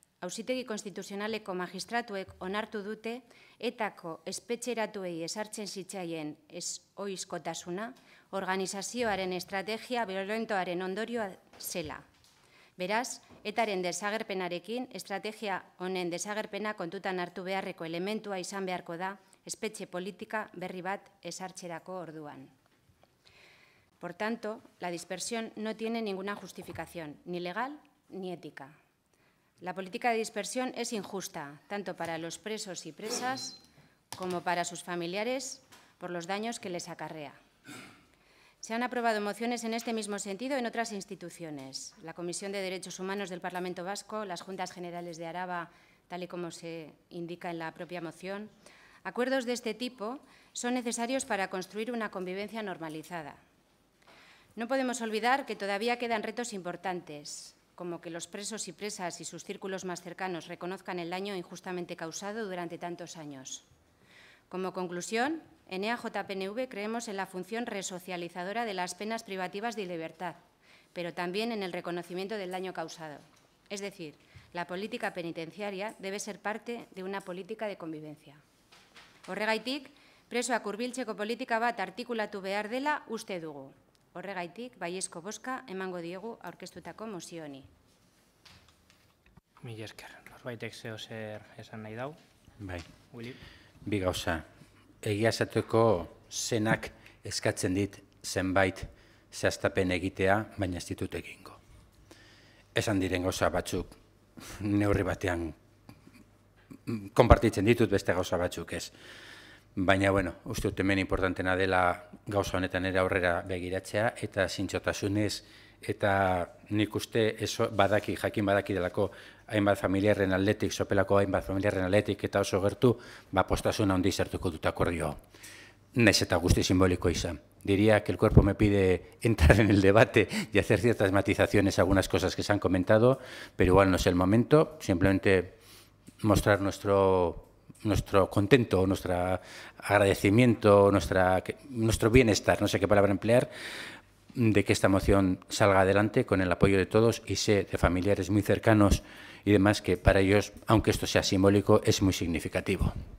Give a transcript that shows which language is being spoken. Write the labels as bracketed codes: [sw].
[eu] Auzitegi konstituzionaleko magistratuek onartu dute etako espetxeratuei ezartzen zitzaien ohizkotasuna, organizazioaren estrategia biolentoaren ondorioa zela. Beraz, etaren desagerpenarekin, estrategia honen desagerpena kontutan hartu beharreko elementua izan beharko da espetxe politika berri bat ezartzerako orduan. [es] Por tanto, la dispersión no tiene ninguna justificación, ni legal ni ética. La política de dispersión es injusta, tanto para los presos y presas como para sus familiares, por los daños que les acarrea. Se han aprobado mociones en este mismo sentido en otras instituciones. La Comisión de Derechos Humanos del Parlamento Vasco, las Juntas Generales de Araba, tal y como se indica en la propia moción. Acuerdos de este tipo son necesarios para construir una convivencia normalizada. No podemos olvidar que todavía quedan retos importantes, como que los presos y presas y sus círculos más cercanos reconozcan el daño injustamente causado durante tantos años. Como conclusión, en EAJPNV creemos en la función resocializadora de las penas privativas de libertad, pero también en el reconocimiento del daño causado. Es decir, la política penitenciaria debe ser parte de una política de convivencia. [eu] Horregaitik, presoak hurbiltzeko politika bat artikulatu behar dela uste dugu. Horregaitik, baiezko bozka emango diegu aurkeztutako mozio honi. Mil esker. Norbaitek zeozer esan nahi dau? Bai. Willy? Bi gauza. Egia esateko zenak eskatzen dit zenbait zehaztapen egitea, baina ez ditut egingo. Esan diren gauza batzuk neurri batean konpartitzen ditut, beste gauza batzuk ez. Baina, bueno, uste dut hemen importantena dela gauza honetan ere aurrera begiratzea, eta zintxotasunez, eta nik uste jakin badaki delako hainbat familiarren atletik, sopelako hainbat familiarren atletik, eta oso gertu, ba, postasuna ondiz hartuko dut akordio. Nez eta guzti simboliko izan. [es] Diria que el cuerpo me pide entrar en el debate y hacer ciertas matizaciones a algunas cosas que se han comentado, pero igual no es el momento, simplemente mostrar nuestro contento, nuestro agradecimiento, nuestro bienestar, no sé qué palabra emplear, de que esta moción salga adelante con el apoyo de todos y sé de familiares muy cercanos y demás que para ellos, aunque esto sea simbólico, es muy significativo.